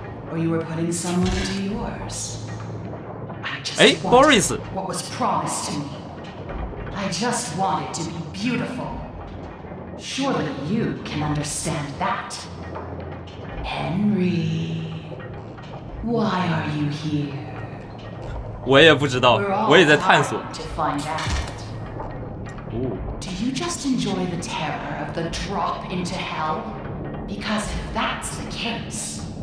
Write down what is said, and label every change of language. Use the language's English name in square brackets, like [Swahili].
[English] Or you were putting someone into yours. 哎 ，Boris。 What was promised to me? I just wanted to be beautiful. Surely you can understand that, Henry. Why are you here? [Chinese] 我也不知道，我也在探索。 [English] To find out. Do you just enjoy the terror of the drop into hell? Because if that's the case,